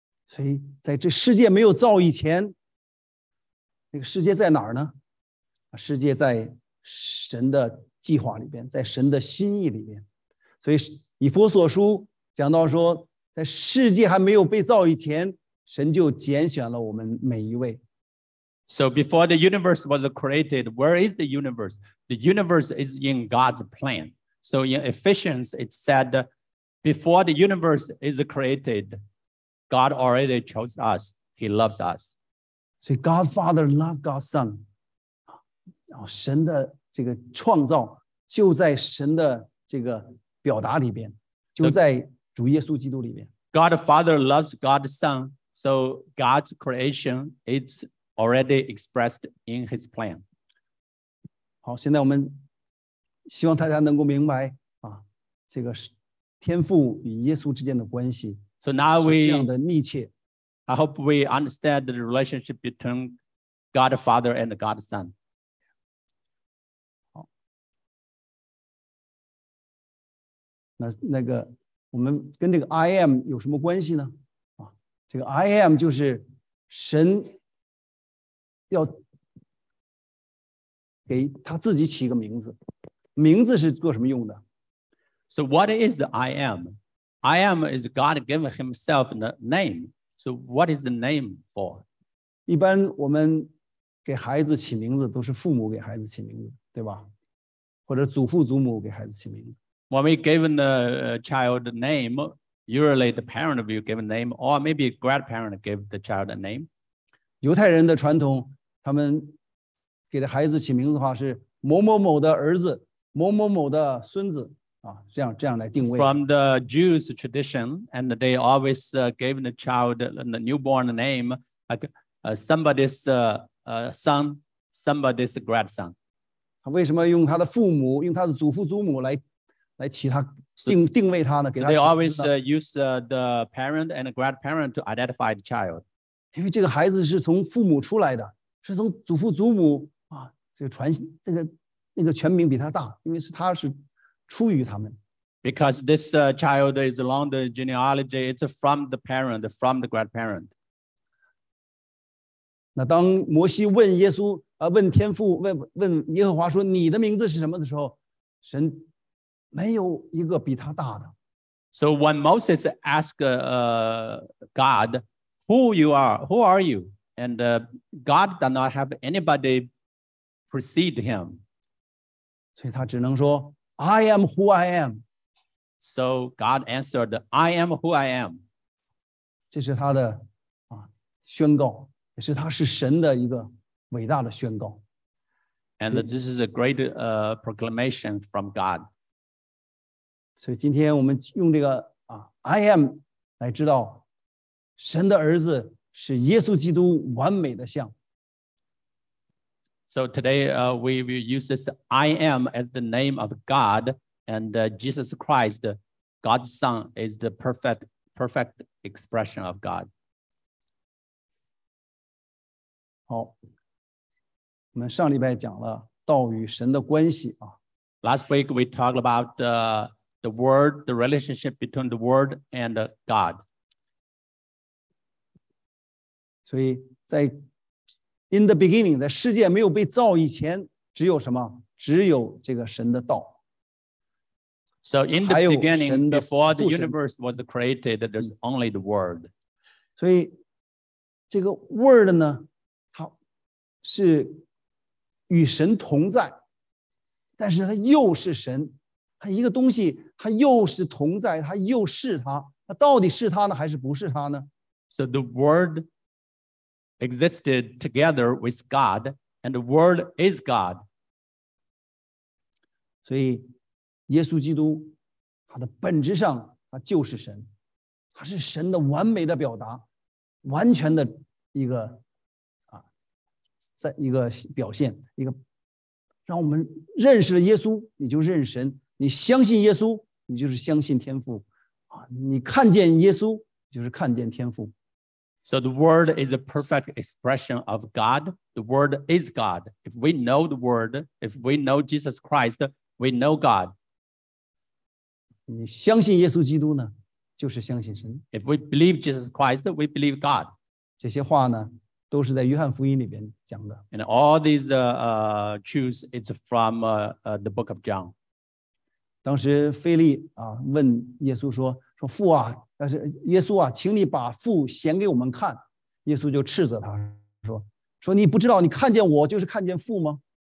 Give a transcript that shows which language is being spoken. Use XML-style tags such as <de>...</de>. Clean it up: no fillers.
<zh>所以在这世界没有造以前，那个世界在哪儿呢？世界在神的计划里边，在神的心意里边。所以以弗所书讲到说，在世界还没有被造以前，神就拣选了我们每一位。</zh> <en>So before the universe was created, where is the universe? The universe is in God's plan. So in Ephesians, it said, before the universe is created, God already chose us. He loves us. So God Father loved God's Son.</en> <zh>神的这个创造就在神的这个表达里边，就在主耶稣基督里边。</zh> <en>God Father loves God's Son. So God's creation, it'sAlready expressed in his plan.</en> <zh>好，现在我们希望大家能够明白啊，这个是天父与耶稣之间的关系。</zh> <en>So now we</en> <zh>这样的密切。</zh> <en>I hope we understand the relationship between God the Father and God the Son.</en> <zh>好，那个我们跟这个 I am 有什么关系呢？啊，这个 I am 就是神。要给他自己起个名字，名字是做什么用的</zh> <en>？So what is I am? I am is God giving himself the name. So what is the name for?</en> <zh>一般我们给孩子起名字都是父母给孩子起名字，对吧？或者祖父祖母给孩子起名字。</zh> <en>When we given the child a name, usually the parent will give a name, or maybe grandparent give the child a name.</en> <zh>犹太人的传统。他们给孩子起名字的话是某某某的儿子，某某某的孙子啊，这样来定位。</zh> <en>From the Jews tradition, and they always gave the child the newborn name like somebody's son, somebody's grandson.</en> <zh>他为什么用他的父母，用他的祖父祖母来起他定位他呢？给他。</zh> <en>They always use the parent and grandparent to identify the child.</en> <zh>因为这个孩子是从父母出来的，是从祖父祖母啊，这个传这个那个权柄比他大，因为是他是出于他们。</zh> <en>Because this child is along the genealogy, it's from the parent, from the grandparent.</en> <zh>那当摩西问耶稣啊，问天父，问耶和华说：“你的名字是什么？”的时候，神没有一个比他大的。</zh> <en>So when Moses asked God, "Who you are? Who are you?" and God does not have anybody precede him.</en> <zh>所以他只能说</zh> <en>"I am who I am." So God answered, "I am who I am."</en> <zh>这是他的啊宣告，也是他是神的一个伟大的宣告。</zh> <en>And this is a great proclamation from God.</en> <zh>所以今天我们用这个啊 "I am" 来知道神的儿子是耶稣基督完美的像。</zh> <en>So today we will use this I am as the name of God, and Jesus Christ, God's Son, is the perfect expression of God.</en> <zh>好，我们上礼拜讲了道与神的关系啊。</zh> <en>Last week we talked about the word, the relationship between the word and God.</en> <zh>所以在</zh> <en>In the beginning,</en> <zh>在世界没有被造以前，只有什么？只有这个神的道。</zh> <en>So in the beginning, before the universe was created, there's only the word.</en> <zh>所以这个 word 呢，它是与神同在，但是它又是神。它一个东西，它又是同在，它又是它。它到底是它呢，还是不是它呢？</zh> <en>So the word. Existed together with God, and the Word is God.</en> <zh>所以耶稣基督他的本质上他就是神，他是神的完美的表达，完全的一个啊，在一个表现，一个让我们认识了耶稣，你就认神；你相信耶稣，你就是相信天父啊；你看见耶稣，就是看见天父。</zh> <en>So the word is a perfect expression of God. The word is God. If we know the word, if we know Jesus Christ, we know God.</en> <zh>你相信耶稣基督呢，就是相信神。</zh> <en>If we believe Jesus Christ, we believe God.</en> <zh>这些话呢，都是在约翰福音里边讲的。</zh> <en>And all these truths is from the book of John.</en> <zh>当时腓力啊问耶稣说父啊。但是耶稣啊，请你把父显给我们看。耶稣就斥责他说你不知道你看见我就是看见父吗？</zh>